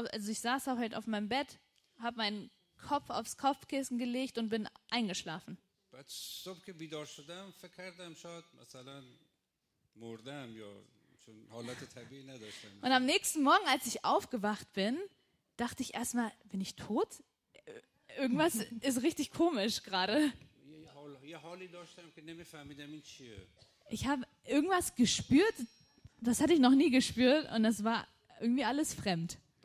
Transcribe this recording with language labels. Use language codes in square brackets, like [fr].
[de] Ich saß auch halt auf meinem Bett, habe meinen Kopf aufs Kopfkissen gelegt und bin eingeschlafen. [fa] بعد صبح که بیدار شدم فکر کردم شاید مثلا مردم یا چون حالت طبیعی نداشتم. [de] Und am nächsten Morgen, als ich aufgewacht bin, dachte ich erstmal, bin ich tot? Irgendwas ist richtig komisch gerade. [fa] یه حالی داشتم که نمیفهمیدم این چیه. [de] Ich habe irgendwas gespürt, das hatte ich noch nie gespürt und das war irgendwie alles fremd.